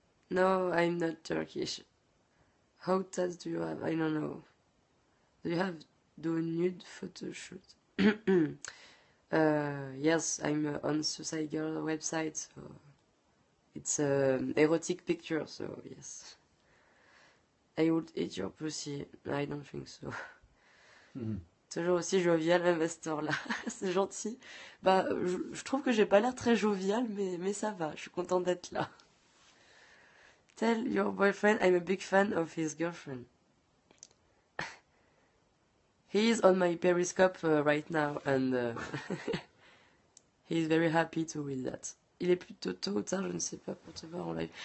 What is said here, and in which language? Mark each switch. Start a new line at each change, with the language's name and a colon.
English: No, I'm not Turkish. How tats do you have? I don't know. Do you have do a nude photo shoot? yes, I'm on Suicide Girl website, so it's erotic picture, so yes. I would eat your pussy. I don't think so.
French: Toujours aussi jovial, même à cette heure-là. C'est gentil. Bah, je trouve que j'ai pas l'air très jovial, mais ça va, je suis contente d'être là.
English: Tell your boyfriend I'm a big fan of his girlfriend. He is on my Periscope right now and he is very happy to read that.
French: Il est plutôt tôt ou tard, je ne sais pas pour te voir en live.